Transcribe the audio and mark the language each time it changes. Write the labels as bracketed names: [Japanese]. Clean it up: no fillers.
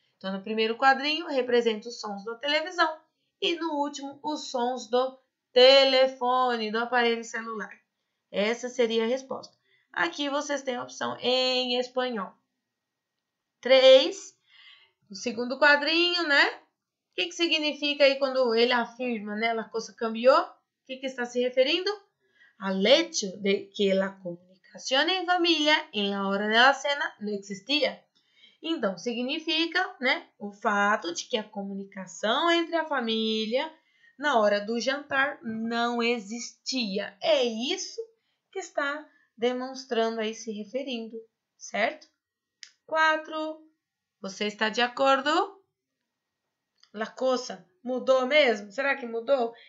[Portuguese] Então, no primeiro quadrinho, representa os sons da televisão e no último, os sons do telefone, do aparelho celular. Essa seria a resposta. Aqui vocês têm a opção em espanhol. 3. O segundo quadrinho, né? O que, que significa aí quando ele afirma, né? [Spanish] La cosa cambió. [Portuguese] O que, que está se referindo? [Spanish] Al hecho de que la comunicación en familia en la hora de la cena no existía. [Portuguese] Então, significa, né? O fato de que a comunicação entre a família na hora do jantar não existia. É isso? Que está demonstrando aí, se referindo, certo? 4. Você está de acordo? [Spanish] La cosa, [Portuguese] mudou mesmo? Será que mudou?